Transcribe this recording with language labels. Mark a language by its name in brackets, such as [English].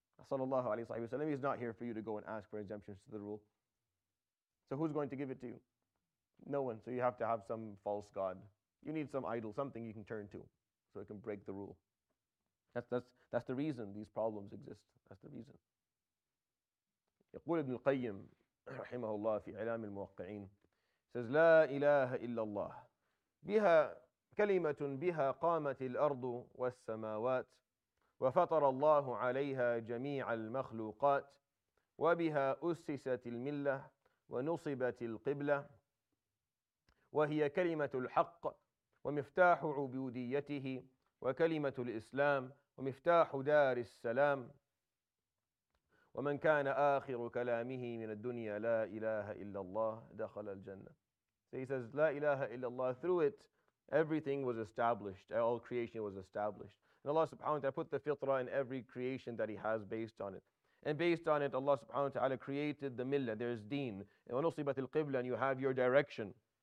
[English] Sallallahu alayhi wa sallam, he's not here for you to go and ask for exemptions to the rule. So who's going to give it to you? No one. So you have to have some false god. You need some idol, something you can turn to, so it can break the rule. That's the reason these problems exist. That's the reason. [Arabic] يقول ابن القيم رحمه الله في إعلام الموقعين says لا إله إلا الله بها كلمة بها قامت الأرض والسماوات وفطر الله عليها جميع المخلوقات وبها أسست الملة ونصبت القبلة وهي كلمة الحق ومفتاح عبوديته وكلمة الإسلام ومفتاح دار السلام ومن كان آخر كلامه من الدنيا لا إله إلا الله دخل الجنة. [English] So he says [Arabic] لا إله إلا الله, [English] through it everything was established, all creation was established. And Allah subhanahu wa ta'ala put the fitra in every creation that he has based on it. And based on it, Allah subhanahu wa ta'ala created the millah, there's deen. And when usibat al-qibla, you have your direction.